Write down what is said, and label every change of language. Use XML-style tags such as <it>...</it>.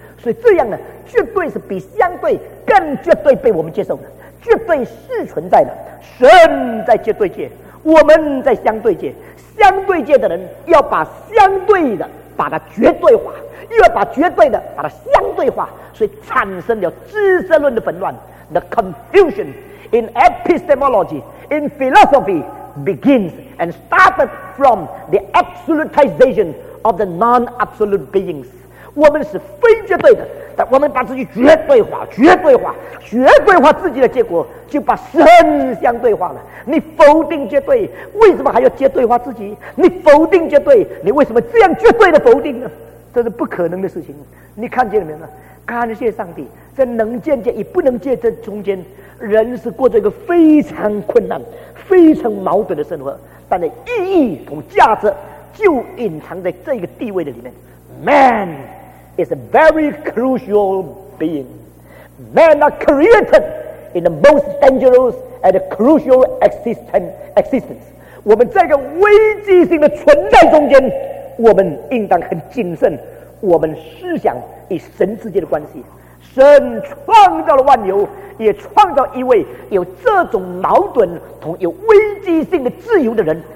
<zh>所以这样呢，绝对是比相对更绝对被我们接受的。绝对是存在的，神在绝对界，我们在相对界。相对界的人要把相对的把它绝对化，又要把绝对的把它相对化，所以产生了知识论的纷乱。</zh> <en>The confusion in epistemology, in philosophy begins and started from the absolutization of the non-absolute beings.</en> <zh>我们是非绝对的，但我们把自己绝对化，绝对化，绝对化自己的结果，就把神相对化了。你否定绝对，为什么还要绝对化自己？你否定绝对，你为什么这样绝对的否定呢？这是不可能的事情。你看见了没有？感谢上帝，在能见界与不能见界中间，人是过着一个非常困难、非常矛盾的生活，但是意义和价值就隐藏在这个地位的里面。</zh> <en>Man is a very crucial being. Men are created in the most dangerous and crucial existence.</en> <zh>我们在一个危机性的存在中间，我们应当很谨慎我们思想与神之间的关系。神创造了万有，也创造一位有这种矛盾同有危机性的自由的人。</zh>